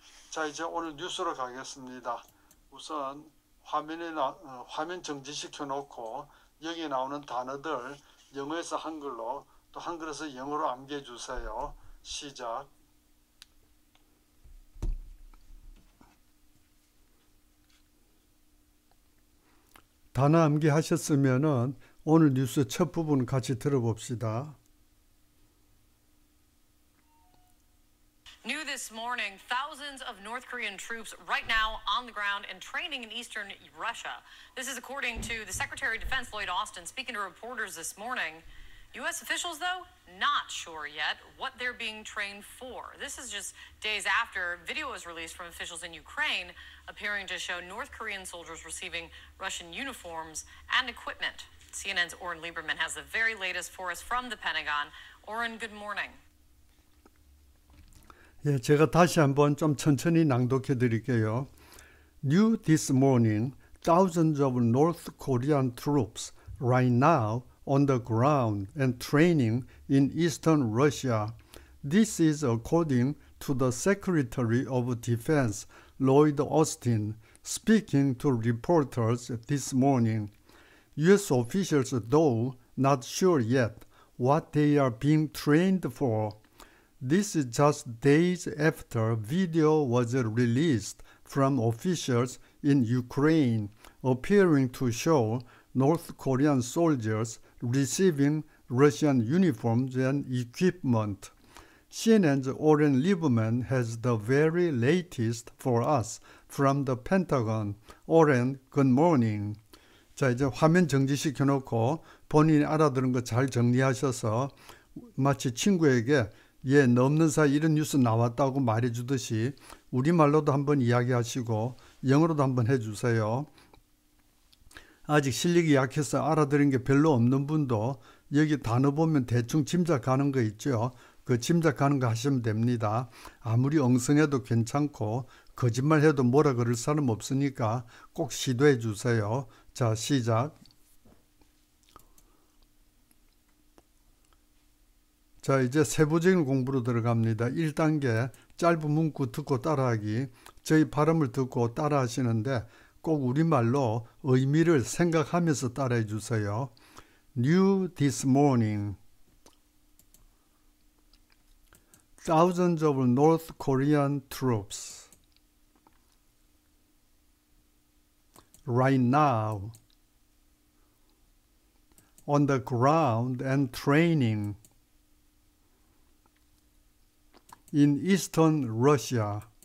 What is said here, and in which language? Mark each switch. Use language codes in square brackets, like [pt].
[ko] 자, 이제 오늘 뉴스로 가겠습니다. 우선 화면 정지시켜 놓고 여기 나오는 단어들 영어에서 한글로 또 한글에서 영어로 암기해 주세요. 시작. 단어 암기하셨으면 오늘 뉴스 첫 부분 같이 들어봅시다. [en] New this morning, thousands of North Korean troops right now on the ground and training in eastern Russia. This is according to the Secretary of Defense Lloyd Austin speaking to reporters this morning. U.S. officials, though, not sure yet what they're being trained for. This is just days after video was released from officials in Ukraine appearing to show North Korean soldiers receiving Russian uniforms and equipment. CNN's Oren Lieberman has the very latest for us from the Pentagon. Oren, good morning. [ko] 예, 제가 다시 한번 좀 천천히 낭독해 드릴게요. [en] New this morning, thousands of North Korean troops right now on the ground and training in eastern Russia. This is according to the Secretary of Defense, Lloyd Austin, speaking to reporters this morning. US officials, though, not sure yet what they are being trained for. This is just days after video was released from officials in Ukraine appearing to show North Korean soldiers receiving Russian uniforms and equipment. CNN's Oren Lieberman has the very latest for us from the Pentagon. Oren, good morning. [ko] 자, 이제 화면 정지시켜 놓고 본인이 알아들은 거잘 정리하셔서 마치 친구에게 예, 넘는 사이 이런 뉴스 나왔다고 말해주듯이 우리말로도 한번 이야기하시고 영어로도 한번 해주세요. 아직 실력이 약해서 알아들은 게 별로 없는 분도 여기 단어 보면 대충 짐작하는 거 있죠? 그 짐작하는 거 하시면 됩니다. 아무리 엉성해도 괜찮고 거짓말해도 뭐라 그럴 사람 없으니까 꼭 시도해 주세요. 자, 시작. 자, 이제 세부적인 공부로 들어갑니다. 1단계 짧은 문구 듣고 따라하기. 저희 발음을 듣고 따라 하시는데 꼭 우리말로 의미를 생각하면서 따라해 주세요. [en] New this morning, thousands of North Korean troops. Right now, on the ground and training in eastern Russia.